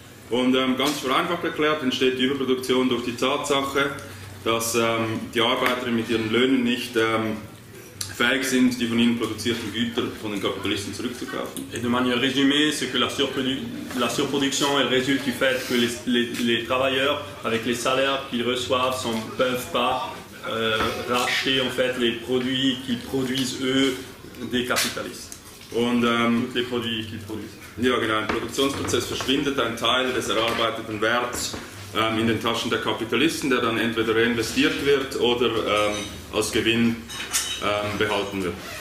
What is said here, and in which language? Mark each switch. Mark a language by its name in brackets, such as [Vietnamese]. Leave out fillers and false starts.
[German] Und ganz vereinfacht erklärt entsteht die Überproduktion durch die Tatsache, dass die Arbeiter mit ihren Löhnen nicht fähig sind, die von ihnen produzierten Güter von den Kapitalisten zurückzukaufen. [French] Et de manière résumée, c'est que la surproduction elle résulte du fait que les travailleurs, avec les salaires qu'ils reçoivent, ne peuvent pas racheter en fait les produits qu'ils produisent eux des capitalistes. [German] Und [French] les produits qu'ils produisent. [German] Ja genau, im Produktionsprozess verschwindet ein Teil des erarbeiteten Werts in den Taschen der Kapitalisten, der dann entweder reinvestiert wird oder als Gewinn behalten wird.